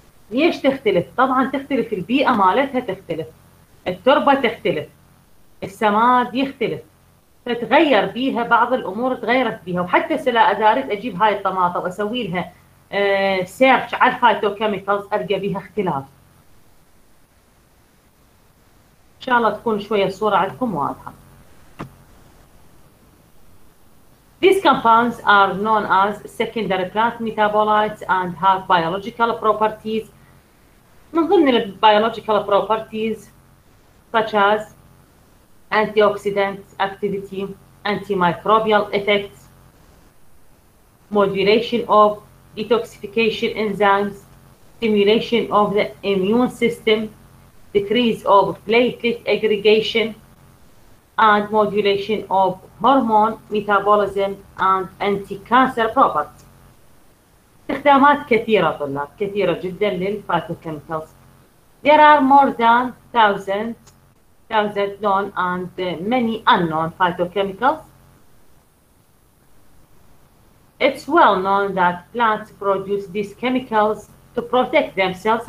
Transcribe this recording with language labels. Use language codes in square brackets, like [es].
[ar] ليش تختلف؟ طبعا تختلف البيئة مالتها، تختلف التربة، تختلف السماد، يختلف، فتغير بيها بعض الأمور، تغيرت بيها. وحتى سلا أدارت أجيب هاي الطماطة وأسوي لها سيرش على الفايتوكيميكالز ألقى بيها اختلاف. إن شاء الله تكون شوية الصورة عندكم واضحة. [en] These compounds are known as secondary plant metabolites and have biological properties. [ar] من ضمن الـ [en] biological properties such as antioxidant activity, antimicrobial effects, modulation of detoxification enzymes, stimulation of the immune system, decrease of platelet aggregation, and modulation of hormone metabolism and anti-cancer properties. [ar] استخدامات كثيرة طلاب، كثيرة جدا للفايتوكيميكالز. [en] There are more than thousand known and many unknown phytochemicals. It's well known that plants produce these chemicals to protect themselves.